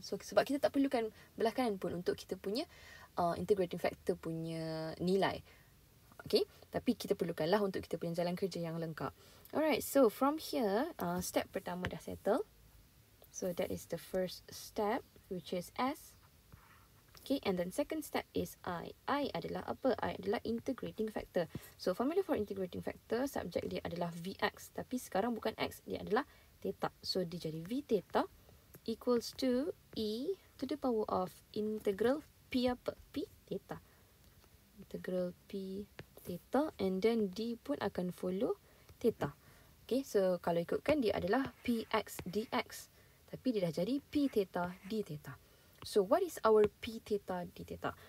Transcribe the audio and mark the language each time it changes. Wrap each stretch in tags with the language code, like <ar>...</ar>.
<ms>So sebab kita tak perlukan belah kanan pun untuk kita punya integrating factor punya nilai. Okay, tapi kita perlukan lah untuk kita punya jalan kerja yang lengkap.</ms> <en>Alright, so from here,</en> <ms>step pertama dah settle.</ms> <en>So that is the first step, which is S. Okay, and then second step is I.</en> <ms>I adalah apa?</ms> <en>I adalah integrating factor. So formula for integrating factor, subject</en> <ms>dia adalah</ms> <en>Vx.</en> <ms>Tapi sekarang bukan X, dia adalah theta. So dia jadi</ms> <en>V theta equals to E to the power of integral P apa? P theta. Integral P theta. And then D</en> <ms>pun akan</ms> <en>follow theta.</en> <ms>Okay, so kalau ikutkan dia adalah Px dx. Tapi dia dah jadi P theta D theta.</ms> <en>So, what is our P theta D theta?</en>